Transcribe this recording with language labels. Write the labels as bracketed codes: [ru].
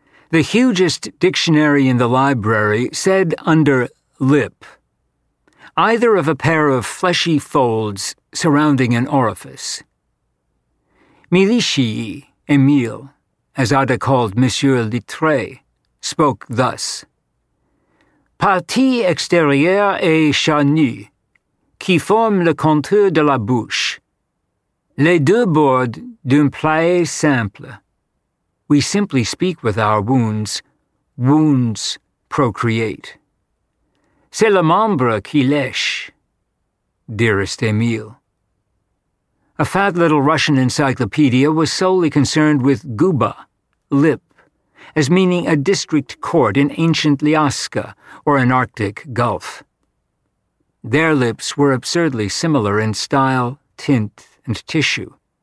[en] The hugest dictionary in the library said under lip, either of a pair of fleshy folds surrounding an orifice. Milichii, Emile, as Ada called Monsieur Littré, spoke thus. [fr] Partie extérieure est charnue, qui forme le contour de la bouche. Les deux bords d'un plaie simple. [en] We simply speak with our wounds. Wounds procreate. [fr] C'est le membre qui lèche, [en] dearest [fr] Emile. [en] A fat little Russian encyclopedia was solely concerned with guba, lip, as meaning a district court in ancient Lyaska or an Arctic gulf. Their lips were absurdly similar in style, tint, and tissue.